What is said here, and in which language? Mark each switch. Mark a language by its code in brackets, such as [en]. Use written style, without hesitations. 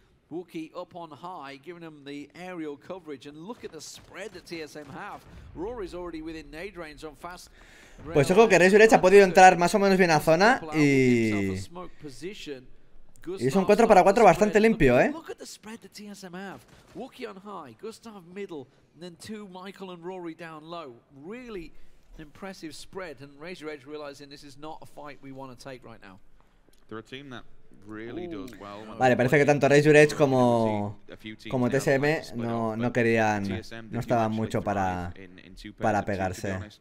[en] Wookie up on high, giving them the aerial coverage, and look at the spread that TSM have. Rory's already within nade range on fast. [es] Pues ojo que Razor Edge ha podido entrar más o menos bien a zona y es un 4 para 4 bastante limpio, ¿eh? [en] Look at the spread that TSM have. Wookie on high, Gustav middle, and then two Michael and Rory down low. Really impressive spread, and Razor Edge realizing this is not a fight we want to take right now. They're a team that really does well. [es] Vale, parece que tanto Razor Edge como TSM no querían, no estaban mucho para pegarse.